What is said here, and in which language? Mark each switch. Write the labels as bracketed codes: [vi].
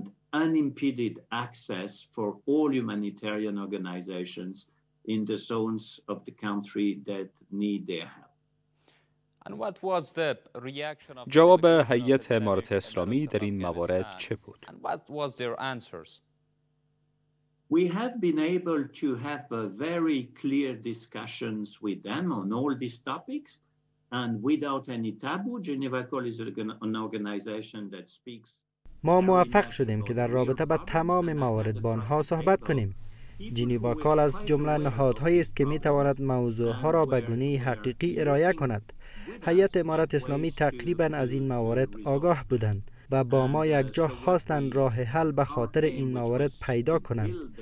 [en] Unimpeded access for all humanitarian organizations in the zones of the country that need their help. And what was the reaction of [fa] جواب هیئت امارت اسلامی در این موارد چه بود؟ [en] And what was their answers? We have been able to have a very clear discussions with them on all these topics, and without any taboo, Geneva Call is an organization that speaks. [fa] ما موفق شدیم که در رابطه با تمام موارد با آنها صحبت کنیم. جنیوا کال از جمله نهادهایی است که می تواند موضوعها را به گونه حقیقی ارائه کند. هیئت امارت اسلامی تقریبا از این موارد آگاه بودند و با ما یک جا خواستند راه حل به خاطر این موارد پیدا کنند.